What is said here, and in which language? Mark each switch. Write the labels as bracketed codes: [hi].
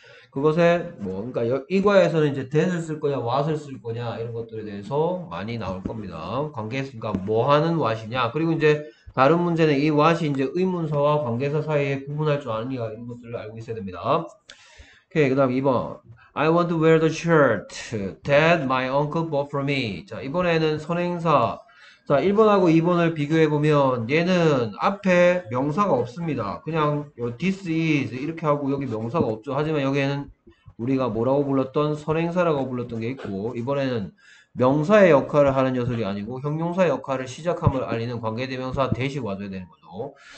[ko] 그것에 뭐 그러니까 이과에서는 이제 that을 쓸 거냐 what을 쓸 거냐 이런 것들에 대해서 많이 나올 겁니다. 관계니까 뭐 하는 what이냐, 그리고 이제 다른 문제는 이 what이 이제 의문사와 관계사 사이에 구분할 줄 아느냐 이런 것들을 알고 있어야 됩니다. 오케이, 그다음 2번. [en] I want to wear the shirt that my uncle bought for me. [ko] 자, 이번에는 선행사. 자, 1번하고 2번을 비교해 보면 얘는 앞에 명사가 없습니다. 그냥 this is 이렇게 하고 여기 명사가 없죠. 하지만 여기에는 우리가 뭐라고 불렀던 선행사라고 불렀던 게 있고, 이번에는 명사의 역할을 하는 녀석이 아니고 형용사의 역할을 시작함을 알리는 관계대명사 대시 와줘야 되는 거죠.